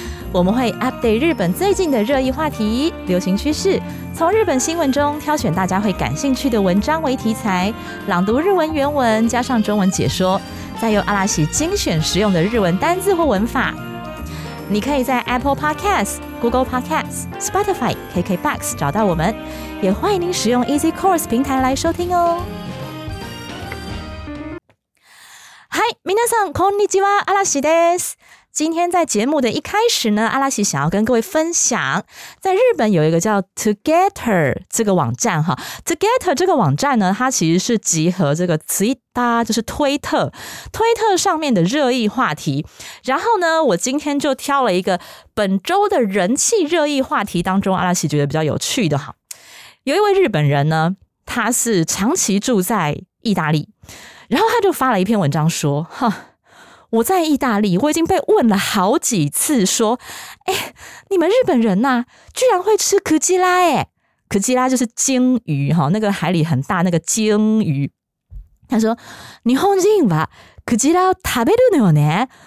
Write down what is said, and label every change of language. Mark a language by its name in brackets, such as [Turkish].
[Chinese] 我们会 update 日本最近的热议话题、流行趋势，从日本新闻中挑选大家会感兴趣的文章为题材，朗读日文原文加上中文解说，再由阿拉西精选实用的日文单字或文法。你可以在 Apple Podcasts、Google Podcasts、Spotify、KKBox 找到我们，也欢迎您使用 Easy Course 平台来收听哦。嗨， [Japanese] 皆さんこんにちは、阿拉西です。 [Chinese] 今天在节目的一开始呢，阿拉西想要跟各位分享，在日本有一个叫 Together 这个网站哈。 Together 这个网站呢，它其实是集合这个 Twitter， 就是推特上面的热议话题。然后呢，我今天就挑了一个本周的人气热议话题当中，阿拉西觉得比较有趣的哈。有一位日本人呢，他是长期住在意大利，然后他就发了一篇文章说，哈，我在意大利，我已经被问了好几次，说，哎，你们日本人呐，居然会吃クジラ，哎，クジラ就是鲸鱼，那个海里很大那个鲸鱼。他说， [Japanese] 日本人はクジラを食べるのよね。